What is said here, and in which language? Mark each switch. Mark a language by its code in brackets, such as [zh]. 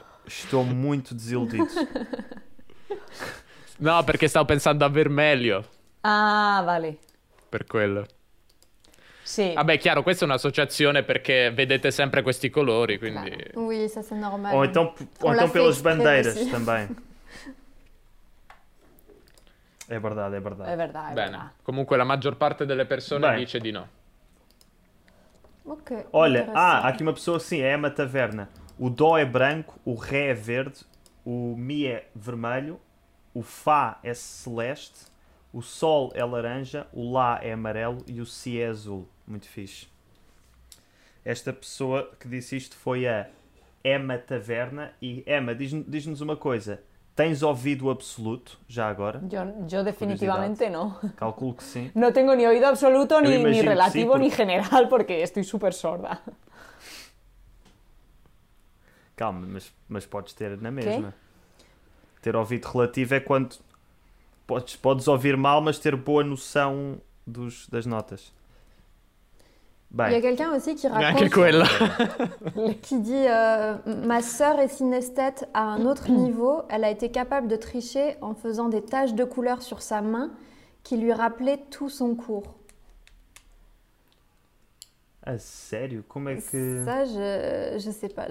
[pt] Estou muito desiludido. Não, porque estava pensando a vermelho. [es] Ah, vale. [it] Per quello. Sì. Vabbè, chiaro, questa è un'associazione perché vedete sempre questi colori, quindi... [fr] Claro. Oui, ça c'est normal. [pt] Ou então pelas bandeiras também. È verdade, è verdade. È verdade. [it] Bene, comunque la maggior parte delle persone dice di no. Ok. [pt] Olha, aqui uma pessoa, sim, é Emma Taverna. O dó é branco, o ré é verde, o mi é vermelho, o fá é celeste, o sol é laranja, o lá é amarelo e o si é azul. Muito fixe. Esta pessoa que disse isto foi a Emma Taverna. E Emma, diz-nos uma coisa. Tens ouvido absoluto, já agora? Eu definitivamente não. Calculo que sim. Não tenho nem ouvido absoluto, nem relativo, nem general, porque estou super sorda. Calma, mas podes ter na mesma. Quê? Ter ouvido relativo é quando... Podes ouvir mal, mas ter boa noção das notas. Bem. Há alguém também que [fr] raconte... [it] Anche quella. [pt] Que diz... [fr] Ma sœur est synesthète à un autre niveau. Elle a été capable de tricher en faisant des taches de couleur sur sa main qui lui rappelait tout son cours. [pt] A sério? Como é que... [fr] Ça, je sais pas.